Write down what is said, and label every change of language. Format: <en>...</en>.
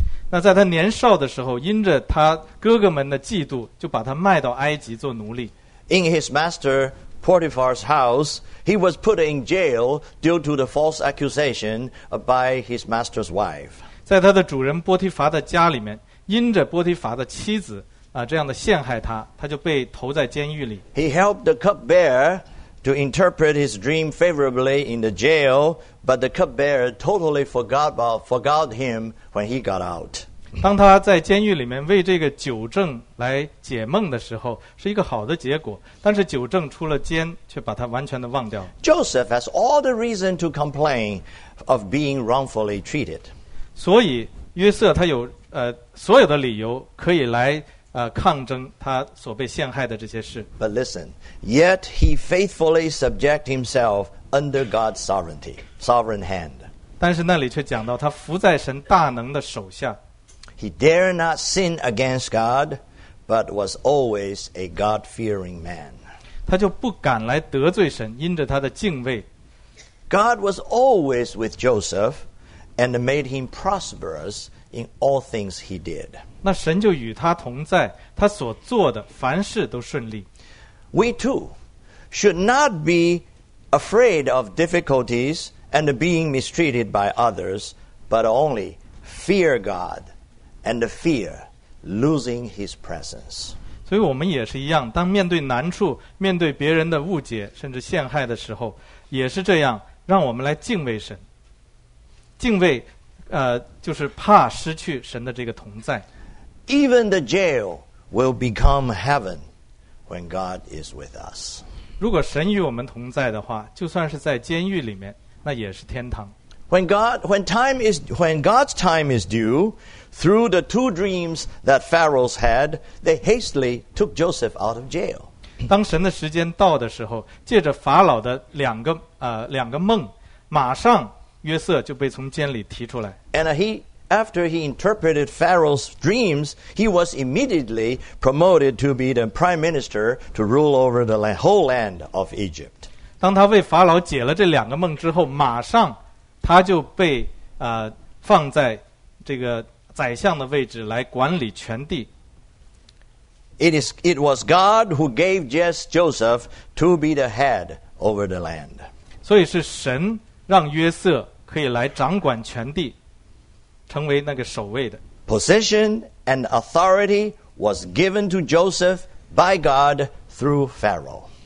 <zh>那在他年少的时候，因着他哥哥们的嫉妒，就把他卖到埃及做奴隶。</zh> <en>In his master Potiphar's house, he was put in jail due to the false accusation by his master's wife.</en> <zh>在他的主人波提乏的家里面，因着波提乏的妻子这样的陷害他，他就被投在监狱里。</zh> <en>He helped the cupbearer to interpret his dream favorably in the jail, but the cupbearer totally forgot him when he got out.</en> <zh>当他在监狱里面为这个酒政来解梦的时候，是一个好的结果，但是酒政出了监，却把他完全的忘掉。</zh> <en>Joseph has all the reason to complain of being wrongfully treated.</en> <zh>所以约瑟他有所有的理由可以来抗争他所被陷害的这些事。</zh> <en>But listen, yet he faithfully subject himself under God's sovereign hand.</en> <zh>但是那里却讲到他服在神大能的手下。</zh> <en>He dare not sin against God, but was always a God-fearing man.</en> <zh>他就不敢来得罪神，因着他的敬畏。</zh> <en>God was always with Joseph, and made him prosperous in all things he did.</en> <zh>那神就与他同在，他所做的凡事都顺利。</zh> <en>We too should not be afraid of difficulties and being mistreated by others, but only fear God and fear losing His presence.</en> <zh>所以我们也是一样，当面对难处，面对别人的误解，甚至陷害的时候，也是这样，让我们来敬畏神。敬畏就是怕失去神的这个同在。</zh> <en>Even the jail will become heaven when God is with us.</en> <zh>如果神与我们同在的话，就算是在监狱里面，那也是天堂。</zh> <en>When God's time is due, through the two dreams that Pharaoh's had, they hastily took Joseph out of jail.</en> <zh>当神的时间到的时候，借着法老的两个梦，马上约瑟就被从监里提出来。</zh> <en>After he interpreted Pharaoh's dreams, he was immediately promoted to be the prime minister to rule over the whole land of Egypt.</en> <zh>当他为法老解了这两个梦之后，马上他就被放在这个宰相的位置来管理全地。</zh> <en>It was God who gave Joseph to be the head over the land.</en> <zh>所以是神让约瑟可以来掌管全地。成为那个守卫的。</zh> <en>Position and authority was given to Joseph by God through Pharaoh.</en>